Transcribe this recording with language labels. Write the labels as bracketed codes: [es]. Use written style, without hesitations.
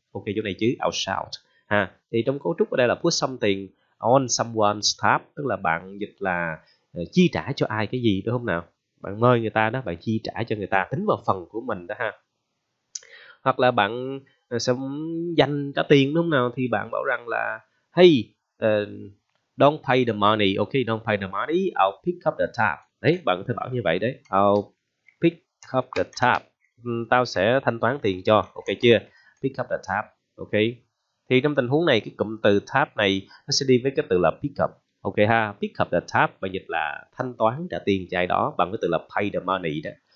[vi] Ok, chỗ này chứ, [en] I'll shout [vi] ha. Thì trong cấu trúc ở đây là [en] put something on someone's tab. [vi] Tức là bạn dịch là chi trả cho ai cái gì, đúng không nào? Bạn mời người ta đó, bạn chi trả cho người ta, tính vào phần của mình đó ha. Hoặc là bạn sẽ dành trả tiền, đúng không nào? Thì bạn bảo rằng là [en] hey, don't pay the money. Ok, don't pay the money, I'll pick up the tab. [vi] Đấy, bạn có thể bảo như vậy đấy. [en] I'll pick up the tab. [vi] Tao sẽ thanh toán tiền cho. Ok chưa? [en] Pick up the tab. [vi] Ok. Thì trong tình huống này, cái cụm từ tab này nó sẽ đi với cái từ là pick up. Ok ha? [en] Pick up the tab [vi] và dịch là thanh toán trả tiền cho ai đó bằng cái từ là [en] pay the money [vi] đó.